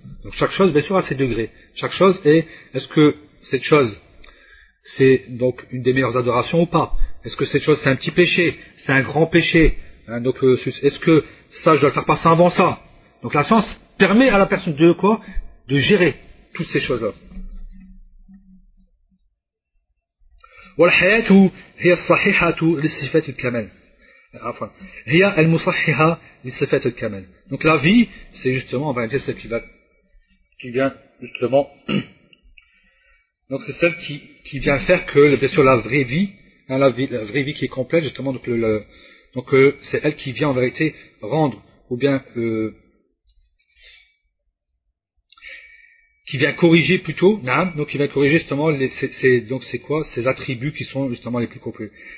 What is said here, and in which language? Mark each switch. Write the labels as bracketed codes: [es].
[fr] Donc chaque chose, bien sûr, a ses degrés. Chaque chose est-ce que cette chose, c'est donc une des meilleures adorations ou pas? Est-ce que cette chose, c'est un petit péché? C'est un grand péché? Hein, donc, est-ce que ça, je dois le faire passer avant ça? Donc la science permet à la personne de quoi? De gérer toutes ces choses-là. [ar] والحياه هي الصحيحه للصفات الكمال عفوا هي المصححه للصفات الكمال. [fr] Donc la vie, c'est justement, on va dire, celle qui vient justement, donc c'est celle qui vient faire que, bien sûr, la vraie vie qui est complète, justement, donc c'est elle qui vient en vérité rendre ou bien qui vient corriger plutôt, naam, donc qui vient corriger justement ces attributs qui sont justement les plus complets.